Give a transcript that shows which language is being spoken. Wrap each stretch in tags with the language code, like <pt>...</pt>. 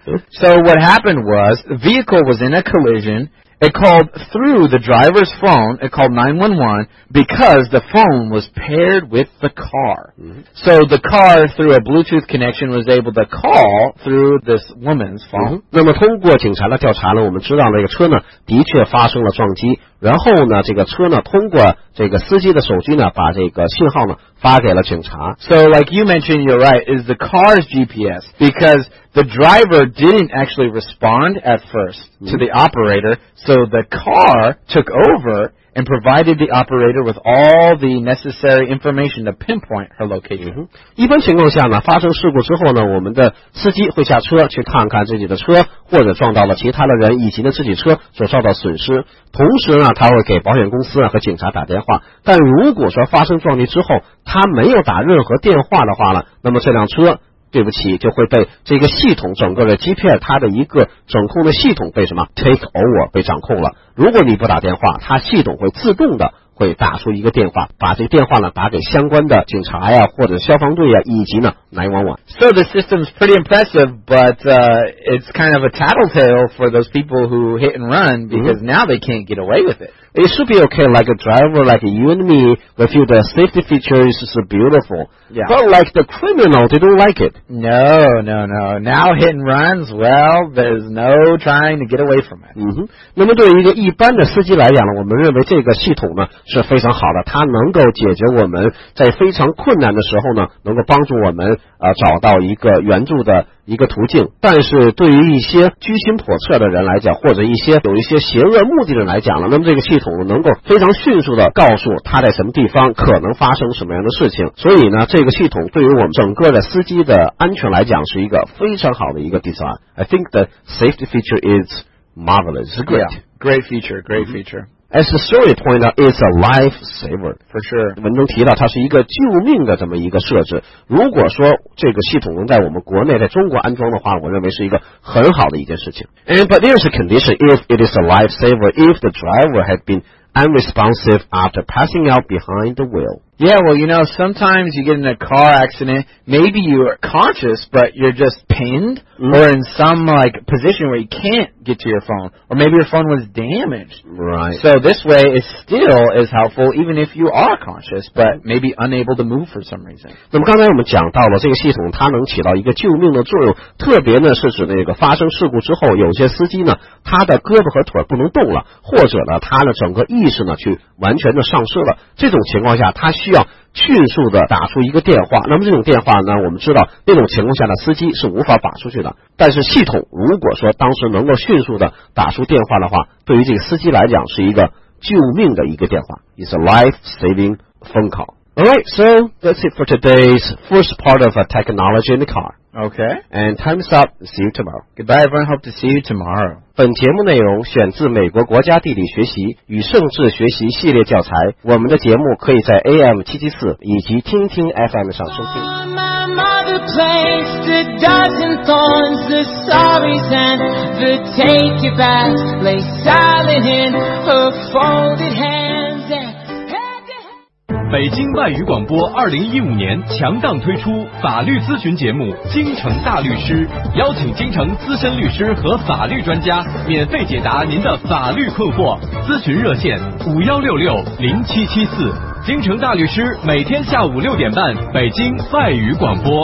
<en>So what happened was, the vehicle was in a collision. It called through the driver's phone. It called 911 because the phone was paired with the car. Mm-hmm. So the car, through a Bluetooth connection, was able to call through this woman's phone.</en> <zh>Mm-hmm. 那么通过警察的调查呢，我们知道那个车呢的确发生了撞击。然后呢，这个车呢通过这个司机的手机呢，把这个信号呢发给了警察。</zh> <en>So like you mentioned, you're right. Is the car's GPS because the driver didn't actually respond at first to the operator, so the car took over and provided the operator with all the necessary information to pinpoint her location.</en> <zh>一般情况下呢，发生事故之后呢，我们的司机会下车去看看自己的车或者撞到了其他的人，以及呢自己车所受到损失。同时呢，他会给保险公司和警察打电话。但如果说发生撞击之后，他没有打任何电话的话呢，那么这辆车对不起，就会被这个系统整个的 GPS 它的一个掌控的系统被什么 take over 被掌控了。如果你不打电话，它系统会自动的会打出一个电话，把这个电话呢打给相关的警察呀，或者消防队呀，以及呢911。</zh> <en>So the system's pretty impressive, but it's kind of a tattletale for those people who hit and run because now they can't get away with it. It should be okay, like a driver, like you and me, we feel the safety features is beautiful. Yeah. But like the criminal, they don't like it. No, no, no. Now hit and runs, well, there's no trying to get away from it.</en> <zh>那么对于一个一般的司机来讲呢，我们认为这个系统呢是非常好的，它能够解决我们在非常困难的时候呢，能够帮助我们找到一个援助的一个途径。但是对于一些居心叵测的人来讲，或者一些有一些邪恶目的的人来讲了，那么这个系统能够非常迅速的告诉他在什么地方可能发生什么样的事情。所以呢，这个系统对于我们整个的司机的安全来讲是一个非常好的一个 design。</zh> <en>I think the safety feature is marvelous. Great. Yeah, great feature, great feature. As the story pointed out, it's a life saver. For sure.</en> <zh>文中提到它是一个救命的这么一个设置。如果说这个系统能在我们国内在中国安装的话，我认为是一个很好的一件事情。</zh> <en>And, but there's a condition. If it is a life saver, if the driver had beenunresponsive after passing out behind the wheel. Yeah, well, you know, sometimes you get in a car accident, maybe you are conscious, but you're just pinned, or in some, like, position where you can't get to your phone, or maybe your phone was damaged. Right. So this way, it still is helpful, even if you are conscious, but maybe unable to move for some reason.</en> <zh>那么刚才我们讲到了这个系统，它能起到一个救命的作用，特别呢，是指那个发生事故之后，有些司机呢，他的胳膊和腿不能动了，或者呢，他的整个意识呢，去完全的丧失了。这种情况下，他需要迅速的打出一个电话。那么这种电话呢，我们知道那种情况下的司机是无法打出去的。但是系统如果说当时能够迅速的打出电话的话，对于这个司机来讲是一个救命的一个电话 ，</zh> <en>is a life saving phone call. All right, so that's it for today's first part of a technology in the car. Okay. And time's up. See you tomorrow. Goodbye, everyone. Hope to see you tomorrow.</en> <zh>本节目内容选自美国国家地理学习与政治学习系列教材。我们的节目可以在 AM 774以及听听 FM 上收听。</zh> <en>The place, the dozen thorns, the sorries and the take-backs lay silent in her folded hands and</en> <zh>北京外语广播2015年强档推出法律咨询节目《京城大律师》，邀请京城资深律师和法律专家免费解答您的法律困惑。咨询热线5166-0774，京城大律师每天下午6点半，北京外语广播。</zh>